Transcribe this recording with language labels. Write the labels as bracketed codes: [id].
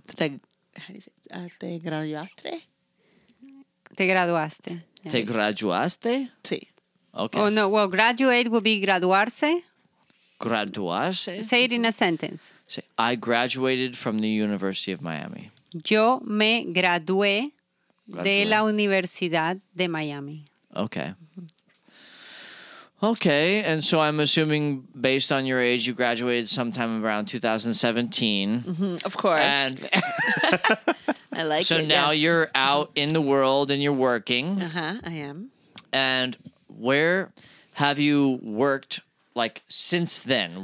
[es] Te graduaste. Te graduaste. Te graduaste. Sí. [en] Okay. Oh no. Well, graduate would be graduarse. [es] Graduarse. [en] Say it in a sentence. Say, I graduated from the University of Miami. [es] Yo me gradué de la Universidad de Miami. [en] Okay. Okay, and so I'm assuming based on your age, you graduated sometime around 2017. Mm-hmm, of course. And I like so it. So now yes. you're out in the world and you're working. Uh-huh, I am. And where have you worked since then?